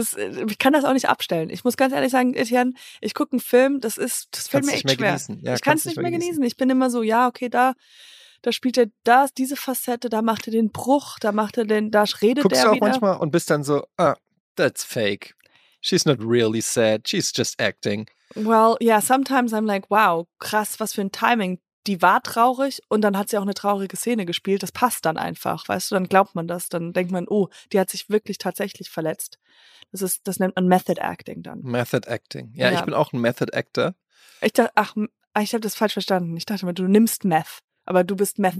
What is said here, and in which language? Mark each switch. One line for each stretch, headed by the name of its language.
German: Ich kann das auch nicht abstellen. Ich muss ganz ehrlich sagen, Etienne, ich gucke einen Film, das fällt mir echt schwer. Genießen. Ja, ich kann es nicht mehr genießen. Ich bin immer so, ja, okay, da spielt er das, diese Facette, da macht er den Bruch, da redet er wieder. Guckst du auch manchmal und bist dann so, ah,
English: that's fake. She's not really sad, she's just acting. Well, yeah, sometimes I'm like, wow,
German: krass, was für ein Timing. Die war traurig und dann hat sie auch eine traurige Szene gespielt. Das passt dann einfach, weißt du, dann glaubt man das. Dann denkt man, oh, die hat sich wirklich tatsächlich verletzt. Das nennt man Method Acting dann. Method Acting. Ja, ja. Ich bin auch ein Method Actor. Ich habe das falsch verstanden. Ich dachte immer, du nimmst Meth, aber du bist Method.